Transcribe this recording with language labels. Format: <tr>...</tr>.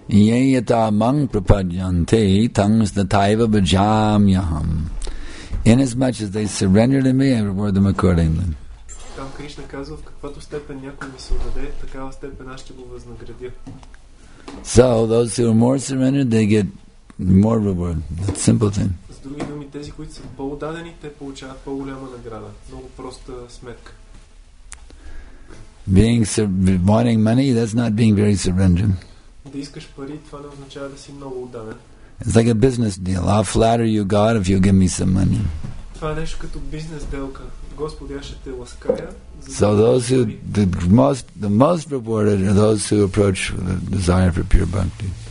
<sa>Ye yata mang prapadyante tangs the taiva bhajam yaham.</sa> <en>Inasmuch as they surrender to me, I reward them accordingly.</en> <bg>Там Кришна казва, в каквато степен някой ми се отдаде, такава степен аз ще го възнаградя.</bg> <en>So those who are more surrendered, they get more reward. That's simple thing.</en> <bg>С други думи, тези, които са по-отдадени, те получават по-голяма награда. Много проста сметка.</bg> <en>Being wanting money, that's not being very surrendered. It's like a business deal. I'll flatter you, God, if you give me some money. So those who the most rewarded are those who approach the desire for pure bhakti.</en>